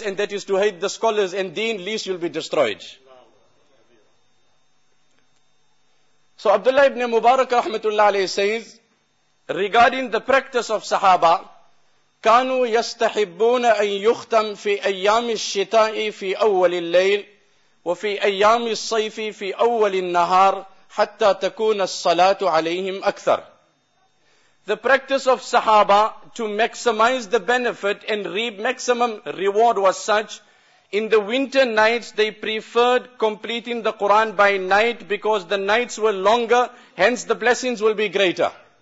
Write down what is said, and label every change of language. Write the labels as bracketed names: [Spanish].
[English] And that is to hate the scholars and deen, least you'll be destroyed. So Abdullah ibn Mubarak rahmatullah alayhi says, regarding the practice of Sahaba, [Arabic] كانوا يستحبون أن يختم في أيام الشتاء في أول الليل. وفي أيام الصيف في أول النهار حتى تكون الصلاة عليهم أكثر. [English] The practice of Sahaba to maximize the benefit and reap maximum reward was such, in the winter nights they preferred completing the Quran by night because the nights were longer, hence the blessings will be greater.